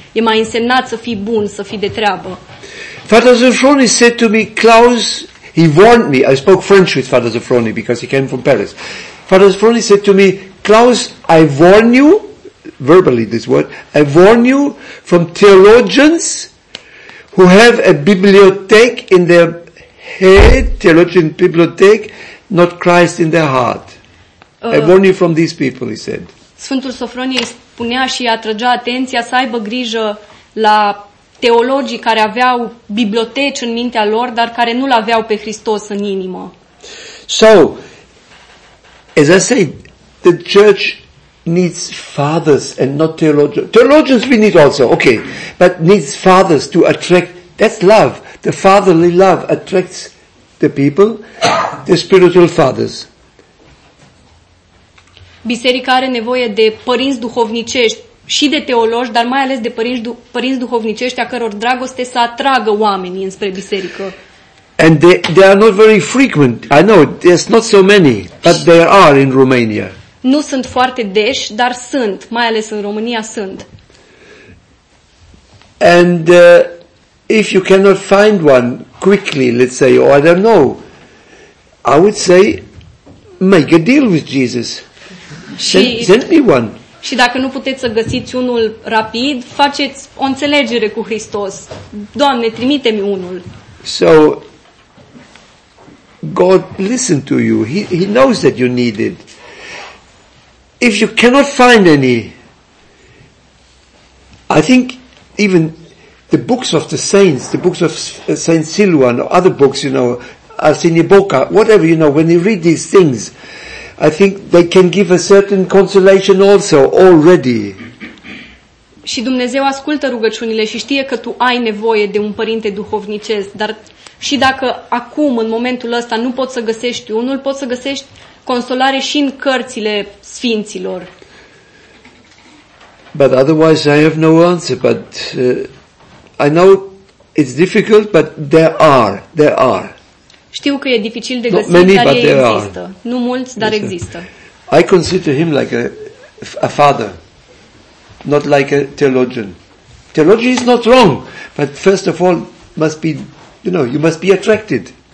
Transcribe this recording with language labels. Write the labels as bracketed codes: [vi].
[ro] E mai însemnat să fii bun, să fii de treabă. [en] Father Zofroni said to me, Klaus, he warned me, I spoke French with Father Zofroni because he came from Paris. Father Zofroni said to me, Klaus, I warn you, verbally this word, I warn you from theologians who have a bibliothèque in their head, theologian bibliothèque, not Christ in their heart. I warn you from these people, he said. [ro] Sfântul Sofronie îi spunea și atrăgea atenția să aibă grijă la teologii care aveau biblioteci în mintea lor, dar care nu l-aveau pe Hristos în inimă. [en] So, as I said, the church needs fathers and not theologians. Theologians we need also, okay. But needs fathers to attract, that's love. The fatherly love attracts the people, the spiritual fathers. [ro] Biserica are nevoie de părinți duhovnicești și de teologi, dar mai ales de părinți duhovnicești a căror dragoste să atragă oamenii înspre biserică. [en] And they are not very frequent. I know, there's not so many, but there are in Romania. [ro] Nu sunt foarte deși, dar sunt, mai ales în România sunt. [en] And if you cannot find one quickly, let's say, or I don't know, I would say, make a deal with Jesus. Send me one. [ro] Și dacă nu puteți să găsiți unul rapid, faceți o înțelegere cu Hristos. Doamne, trimite-mi unul. [en] So God listen to you. He knows that you need it. If you cannot find any, I think even the books of the saints, the books of Saint Silvan or other books, you know, Arsenie Boca, whatever, you know, when you read these things, I think they can give a certain consolation also already. [ro] Și Dumnezeu ascultă rugăciunile și știe că tu ai nevoie de un părinte duhovnicesc, dar și dacă acum în momentul ăsta nu poți să găsești unul, poți să găsești consolare și în cărțile sfinților. [en] But otherwise I have no answer, but I know it's difficult, but there are. [ro] Știu că e dificil de găsit, [en] many, [ro] dar ei există. Are. Nu mulți, dar există. [en] I consider him like a father, not like a theologian. Theology is not wrong, but first of all must be, you know, you must be attracted.